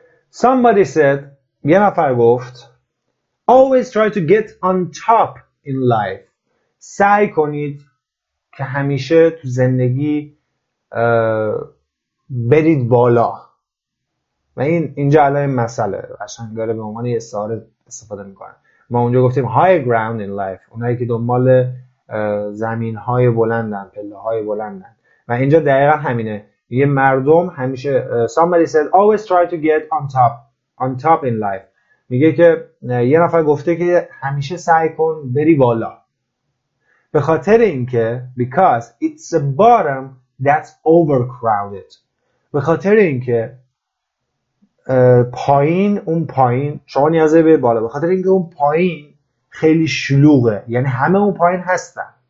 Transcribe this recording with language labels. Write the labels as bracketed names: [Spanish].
[English] Somebody said, [Persian] یه نفر گفت [English] always try to get on top in life. [Persian] سعی کنید که همیشه تو زندگی برید بالا. و اینجا علای مسئله عشان داره به عنوان یه استعاره استفاده میکنه. ما اونجا گفتیم [English] high ground in life، [Persian] اونایی که دنبال زمین های بلندن، پله های بلندن. و اینجا دقیقا همینه. یه مردم همیشه [English] somebody said always try to get on top in life. [Persian] میگه که یه نفر گفته که همیشه سعی کن بری بالا، به خاطر اینکه [English] because it's the bottom that's overcrowded. [Persian] به خاطر اینکه پایین، اون پایین شما نیازه به بالا، به خاطر اینکه اون پایین خیلی شلوغه، یعنی همه اون پایین هستن.